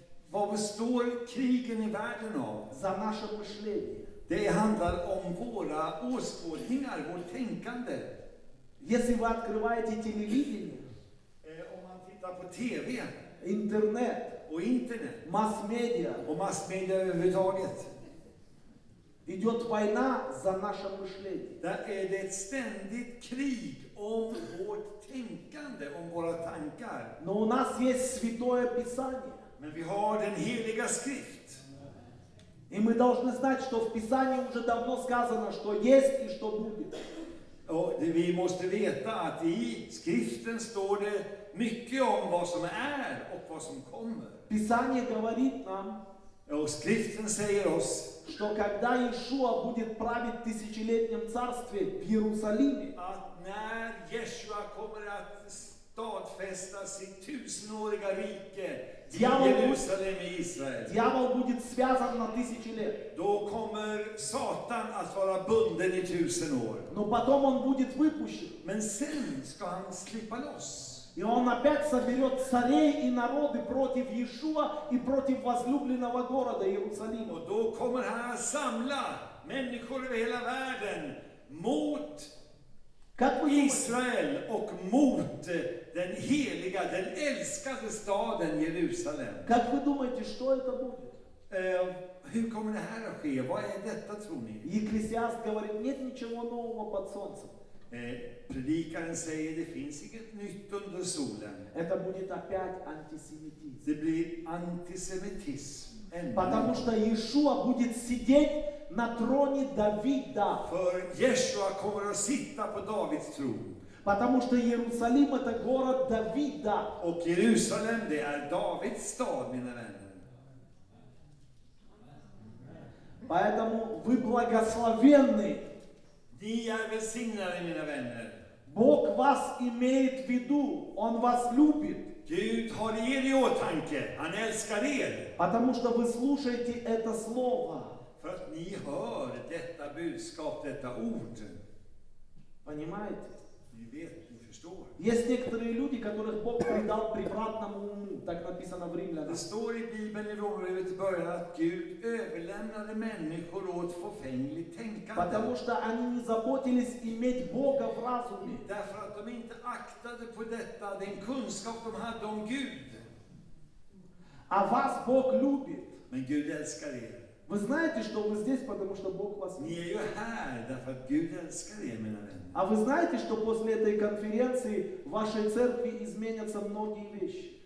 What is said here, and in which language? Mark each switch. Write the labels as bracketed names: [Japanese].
[Swedish] Vad består krigen i världen av? [Russian] За наше мышление. [Swedish] Det handlar om våra åskådningar, vårt tänkande. [Russian] Если вы открываете телевидение, [Swedish] om man tittar på TV, [Russian] интернет, [Swedish] och internet, [Russian] масс-медиа, [Swedish] och масс-медиа överhuvudtaget, [Russian] идет война за наше мышление. [Swedish] Да, det är ett ständigt krig om vårt tänkande, om våra tankar. [Russian] Но у нас есть Святое Писание. [Swedish] Men vi har den heliga skrift. [Russian] И мы должны знать, что в Писании уже давно сказано, что есть и что будет. [Swedish] Och vi måste veta att i skriften står det mycket om vad som är och vad som kommer. [Russian] Писание говорит нам, [Swedish] och skriften säger oss, [Russian] что когда Иешуа будет править в тысячелетнем царстве в Иерусалиме, [Swedish] att när Yeshua kommer att stadfästa sitt tusenåriga rike i Jerusalem i Israel, [Russian] дьявол будет связан на тысячи лет, [Swedish] då kommer Satan att vara bunden i tusen år. [Russian] Но потом он будет выпущен. [Swedish] Men sen ska han slippa loss. [Russian] И он опять соберет царей и народы против Иешуа и против возлюбленного города Иерусалима. [Swedish] Och då kommer han att samla människor över hela världen mot Israel och mot den heliga, den älskade staden Jerusalem. [Russian] Как вы думаете, что это будет? [Swedish] Hur kommer det här att ske? Vad är detta, tror ni? [Russian] Екклесиаст говорит, нет ничего нового под солнцем. [Swedish] Predikaren säger det finns inget nytt under solen. [Russian] Это будет опять антисемитизм. [Swedish] Det blir antisemitism. [Russian] Потому что Иешуа будет сидеть на троне Давида. [Swedish] För Иешуа kommer att sitta på Davids tron. [Russian] Потому что Иерусалим это город Давида. [Swedish] Och Jerusalem det är Davids stad, mina vänner. [Russian] Поэтому вы благословенны. [Swedish] Ni är välsignade, mina vänner. [Russian] Бог вас имеет в виду, Он вас любит. [Swedish] Gud har er i åtanke, Han älskar er. [Russian] Потому что вы слушаете это слово. [Swedish] För att ni hör detta budskap, detta ord. [Russian] Понимаете? [Swedish] Ni vet, ni förstår. [Russian] Есть некоторые люди, которых Бог предал превратному уму, так написано в Римлянах. [Swedish] Det står i Bibeln i Romarbrevet i början att Gud överlämnade människor åt förfängligt tänkande. [Russian] Потому что они не заботились иметь Бога в разуме. [Swedish] Därför att de inte aktade på detta, den kunskap de hade om Gud. [Russian] А вас Бог любит. [Swedish] Men Gud älskar er. [Russian] Вы знаете, что вы здесь, потому что Бог вас любит. А вы знаете, что после этой конференции в вашей церкви изменятся многие вещи?